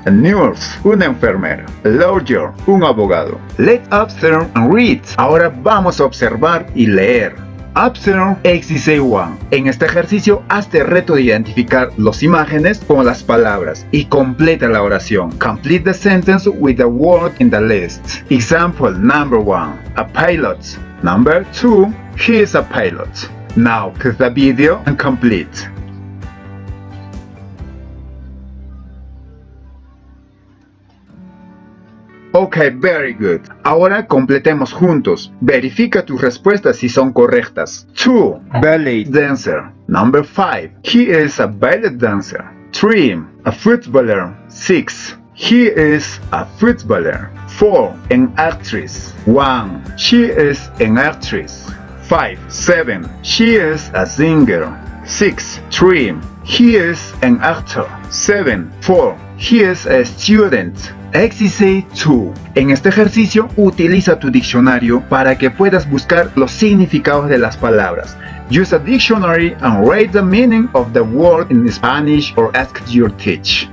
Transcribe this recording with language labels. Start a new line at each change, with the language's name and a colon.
English: A nurse,
Spanish: una enfermera.
English: A lawyer,
Spanish: un abogado.
English: Let's observe and read.
Spanish: Ahora vamos a observar y leer.
English: Observe exercise 1.
Spanish: En este ejercicio, hazte reto de identificar las imágenes con las palabras y completa la oración.
English: Complete the sentence with the word in the list. Example number 1. A pilot. Number 2. He is a pilot. Now, click the video and complete. Ok, very good.
Spanish: Ahora completemos juntos. Verifica tus respuestas si son correctas. 2.
English: Ballet dancer. Number 5. He is a ballet dancer. 3. A footballer. 6. He is a footballer. 4. An actress. 1. She is an actress. 5. 7. She is a singer. 6. 3. He is an actor. 7. 4. He is a student. Exercise 2.
Spanish: En este ejercicio, utiliza tu diccionario para que puedas buscar los significados de las palabras.
English: Use a dictionary and write the meaning of the word in Spanish or ask your teach.